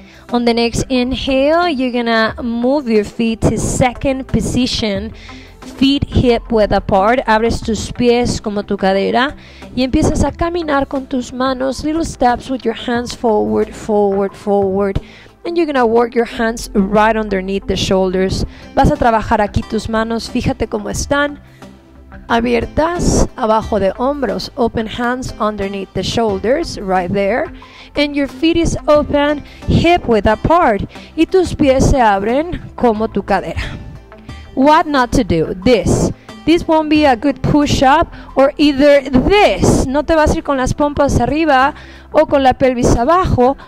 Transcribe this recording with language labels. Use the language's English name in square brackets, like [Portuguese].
[English] On the next inhale, you're gonna move your feet to second position, feet hip width apart. [Spanish] Abres tus pies como tu cadera y empiezas a caminar con tus manos, [English] little steps with your hands forward, forward, [Spanish] forward. [English] And you're gonna work your hands right underneath the shoulders. [Spanish] Vas a trabajar aquí tus manos, fíjate cómo están. Abiertas abajo de hombros, [English] open hands underneath the shoulders, right there. And your feet is open, hip width apart. [Spanish] Y tus pies se abren como tu cadera. [English] What not to do? This. This won't be a good push-up or either this. [Spanish] No te vas a ir con las pompas arriba o con la pelvis abajo.